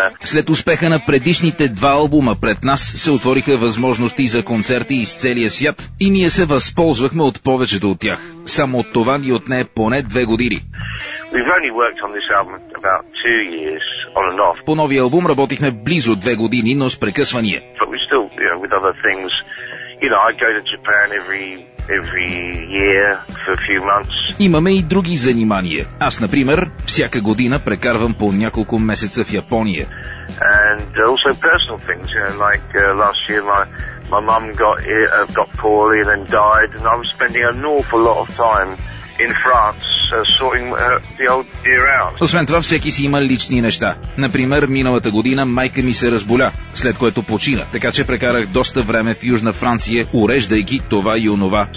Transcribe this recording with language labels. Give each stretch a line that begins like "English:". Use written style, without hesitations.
Bulgarian: след успеха на предишните два албума пред нас се отвориха възможности за концерти из целия свят и ние се възползвахме от повечето от тях. Само от това ни отне поне 2 години.
English: We've only worked on this album about 2 years on and off.
Bulgarian: По новия албум работихме близо 2 години, но с прекъсвания.
English: But we still, with other things, I go to Japan every year for a few months.
Bulgarian: Имаме и други занимания. Аз, например, всяка година прекарвам по няколко месеца в Япония.
English: And also personal things, last year my mum got poorly and then died, and I was spending an awful lot of time in France sorting the old dear out.
Bulgarian: Освен това, всеки си има лични неща. Например, миналата година майка ми се разболя, след което почина, така че прекарах доста време в Южна Франция, уреждайки това и онова.